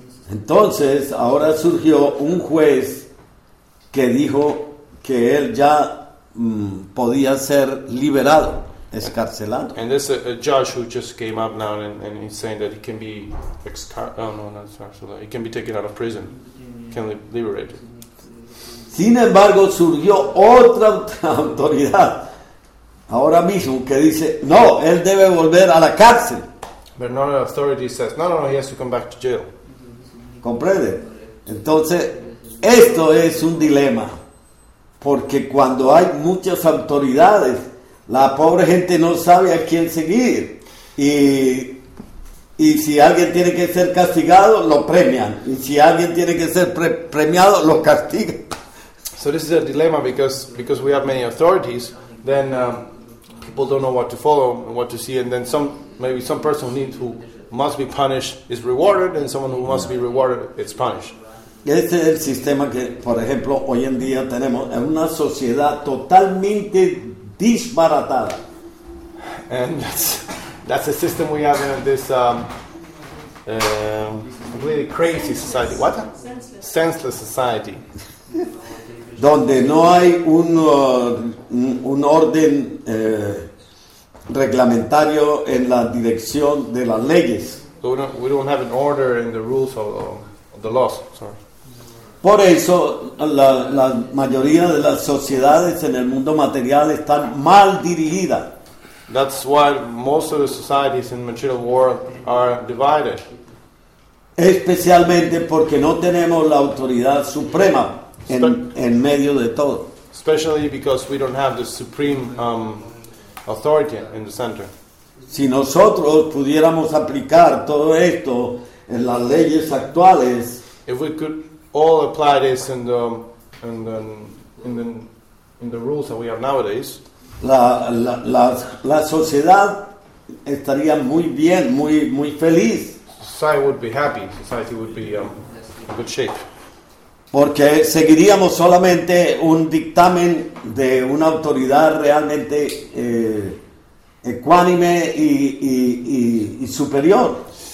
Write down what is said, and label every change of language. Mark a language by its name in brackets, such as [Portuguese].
[Spanish] Entonces, ahora surgió un juez que dijo que él ya podía ser liberado, excarcelado. [English] And there's a judge who just came up now and he's saying that he can be he can be taken out of prison. Can liberate. [Spanish] Sin embargo, surgió otra autoridad ahora mismo que dice no, él debe volver a la cárcel. [English] But another authority says no, he has to come back to jail. [Spanish] ¿Comprende? Entonces esto es un dilema porque cuando hay muchas autoridades la pobre gente no sabe a quién seguir y si alguien tiene que ser castigado, lo premian. Y si alguien tiene que ser premiado, lo castigan. [English] So this is a dilemma because we have many authorities, then people don't know what to follow and what to see. And then maybe some person who must be punished is rewarded, and someone who must be rewarded is punished. [Spanish] Este es el sistema que, por ejemplo, hoy en día tenemos en una sociedad totalmente disparatada. [English] And that's the system we have in this really crazy society. What? Senseless society. [Spanish] Donde no hay un orden reglamentario en la dirección de las leyes. [English] We don't have an order in the rules of the laws. Sorry. [Spanish] Por eso la mayoría de las sociedades en el mundo material están mal dirigidas. [English] That's why most of the societies in the material world are divided. [Spanish] Especialmente porque no tenemos la autoridad suprema en medio de todo. [English] Especially because we don't have the supreme authority in the center. [Spanish] Si nosotros pudiéramos aplicar todo esto en las leyes actuales, [English] if we could all apply this in the rules that we have nowadays, [Spanish] la sociedad estaría muy bien, muy muy feliz. [English] Society would be happy. Society would be in good shape. [Spanish] Porque seguiríamos solamente un dictamen de una autoridad realmente ecuánime y superior.